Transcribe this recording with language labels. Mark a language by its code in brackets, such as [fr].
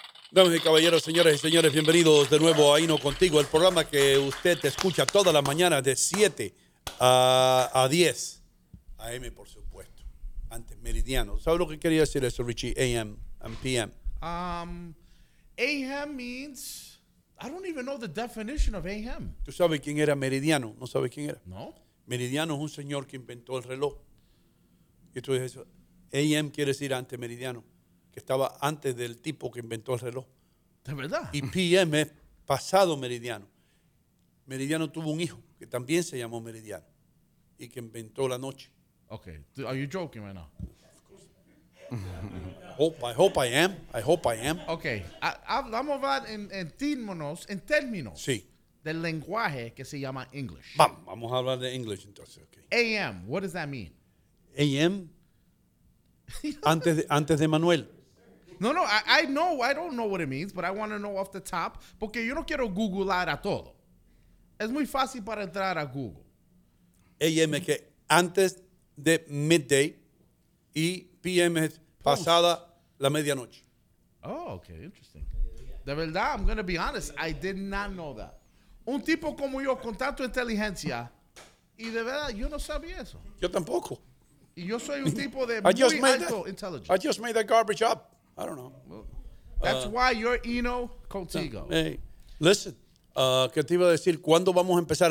[es] Damas y caballeros, señores y señores, bienvenidos de nuevo a Hino Contigo, el programa que usted escucha todas las mañanas de 7 a 10 AM, por supuesto, antes meridiano. ¿Sabes lo que quería decir eso, Richie? AM and PM. [en] AM means, I don't even know the definition of AM. [es] ¿Tú sabes quién era meridiano? ¿No sabes quién era? No. Meridiano es un señor que inventó el reloj. Y tú dices, AM quiere decir antes meridiano, que estaba antes del tipo que inventó el reloj. ¿De verdad? Y PM es pasado meridiano. Meridiano tuvo un hijo que también se llamó Meridiano y que inventó la noche. [en] Okay, are you joking right now? Of course. I hope I am. [es] Okay, vamos a hablar en términos sí, del lenguaje que se llama English. Vamos a hablar de English entonces, okay. [en] AM, what does that mean? [es] AM, antes de Manuel. [en] No, I know, I don't know what it means, but I want to know off the top, [es] porque yo no quiero googlear a todo. Es muy fácil para entrar a Google. AM es que antes de midday, y PM es pasada la medianoche. [en] Oh, okay, interesting. [es] De verdad, [en] I'm going to be honest, I did not know that. [es] Un tipo como yo, con tanto inteligencia, y de verdad, yo no sabía eso. Yo tampoco. Y yo soy un tipo de muy alto intelligence. [en] I just made that garbage up. I don't know. Well, that's why you're Hino Contigo. Hey, listen, [es] ¿qué te iba a decir? ¿Cuándo vamos a empezar?